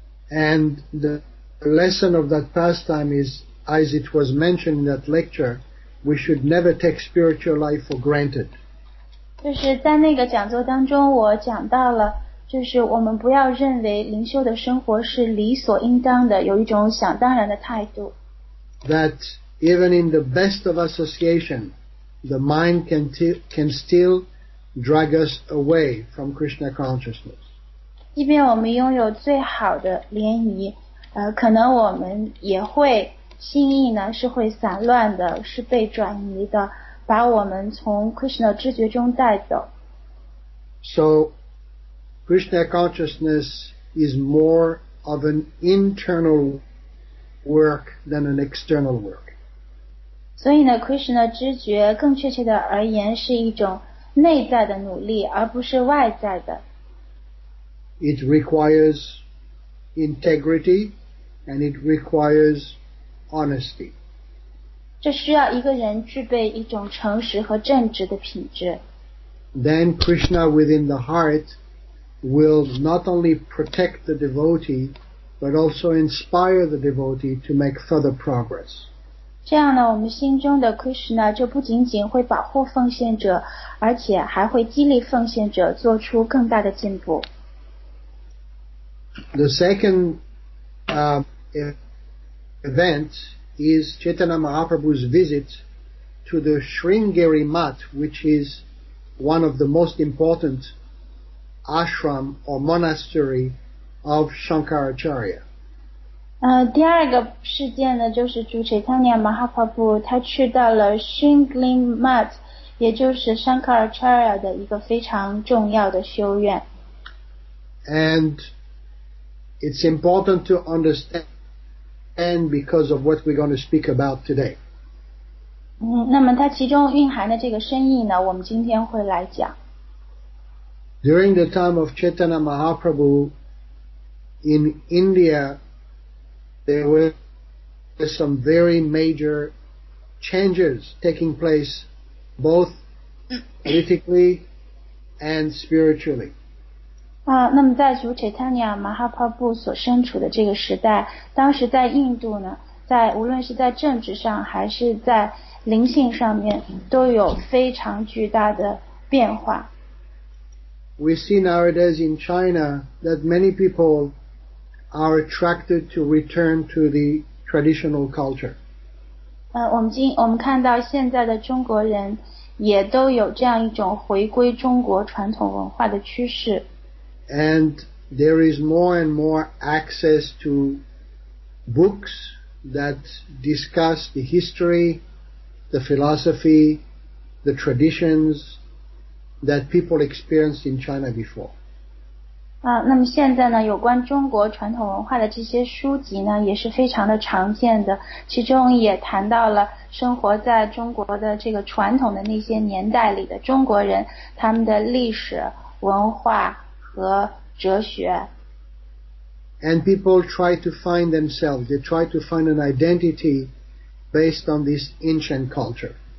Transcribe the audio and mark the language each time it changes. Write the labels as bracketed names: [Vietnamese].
[English] And the lesson of that pastime is, as it was mentioned in that lecture, we should never take spiritual life for granted. [Chinese] 就是在那个讲座当中我讲到了，就是我们不要认为灵修的生活是理所应当的，有一种想当然的态度。 [English] That even in the best of association,The mind can still drag us away from Krishna consciousness. [Chinese] 即便我们拥有最好的涟漪，可能我们也会心意呢是会散乱的，是被转移的，把我们从 Krishna 知觉中带走。 [English] So, Krishna consciousness is more of an internal work than an external work. [Chinese] 所以呢 Krishna 知觉更确切的而言是一种内在的努力而不是外在的。 [English] It requires integrity and it requires honesty. [Chinese] 这需要一个人具备一种诚实和正直的品质。 [English] Then Krishna within the heart will not only protect the devotee, but also inspire the devotee to make further progress. [Chinese] 这样呢，我们心中的 Krishna 就不仅仅会保护奉献者，而且还会激励奉献者做出更大的进步。 [English] The second event is Chaitanya Mahaprabhu's visit to the Sringeri Math, which is one of the most important ashram or monastery of Shankaracharya. [Chinese] 第二个事件呢就是主 Chaitanya Mahaprabhu 他去到了 Shingling Math 也就是 Shankaracharya 的一个非常重要的修院。 [English] And it's important to understand because of what we're going to speak about today. [Chinese] 那么它其中蕴含的这个深意呢我们今天会来讲。 [English] During the time of Chaitanya Mahaprabhu in IndiaThere were some very major changes taking place, both politically and spiritually. [Chinese] 那么在主 Chaitanya Mahaprabhu 所身处的这个时代，当时在印度呢，在无论是在政治上还是在灵性上面都有非常巨大的变化。 [English] We see nowadays in China that many people are attracted to return to the traditional culture. [Chinese] 我们看到现在的中国人也都有这样一种回归中国传统文化的趋势。 [English] And there is more and more access to books that discuss the history, the philosophy, the traditions that people experienced in China before. [Chinese] 那么现在呢，有关中国传统文化的这些书籍呢，也是非常的常见的，其中也谈到了生活在中国的这个传统的那些年代里的中国人，他们的历史、文化和哲学。 [English] And people try to find themselves, they try to find an identity based on this ancient culture.